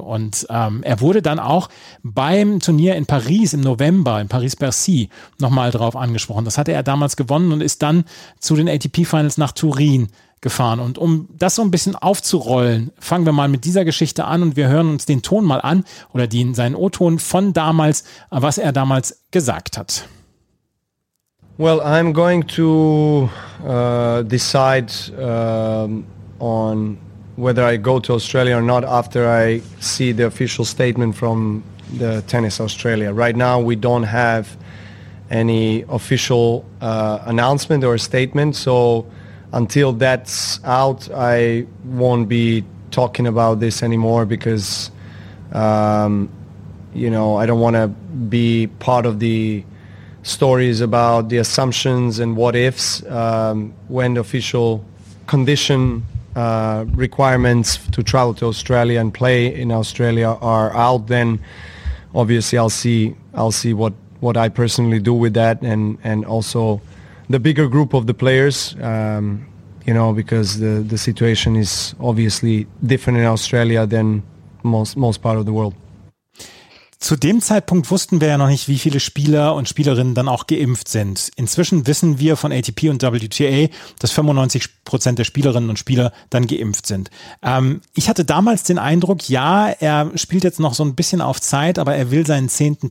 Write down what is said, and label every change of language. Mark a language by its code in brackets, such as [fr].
[de] Und er wurde dann auch beim Turnier in Paris im November, in Paris-Bercy, nochmal drauf angesprochen. Das hatte er damals gewonnen und ist dann zu den ATP-Finals nach Turin gefahren. Und um das so ein bisschen aufzurollen, fangen wir mal mit dieser Geschichte an und wir hören uns den Ton mal an oder seinen O-Ton von damals, was er damals gesagt hat. [en] Well, I'm going to decide on whether I go to Australia or not after I see the official statement from the Tennis Australia. Right now, we don't have any official announcement or statement. So until that's out, I won't be talking about this anymore because, I don't want to be part of the stories about the assumptions and what ifs when the official condition requirements to travel to Australia and play in Australia are out, then obviously I'll see what I personally do with that and also the bigger group of the players, because the situation is obviously different in Australia than most part of the world. [de] Zu dem Zeitpunkt wussten wir ja noch nicht, wie viele Spieler und Spielerinnen dann auch geimpft sind. Inzwischen wissen wir von ATP und WTA, dass 95% der Spielerinnen und Spieler dann geimpft sind. Ich hatte damals den Eindruck, ja, er spielt jetzt noch so ein bisschen auf Zeit, aber er will seinen 10.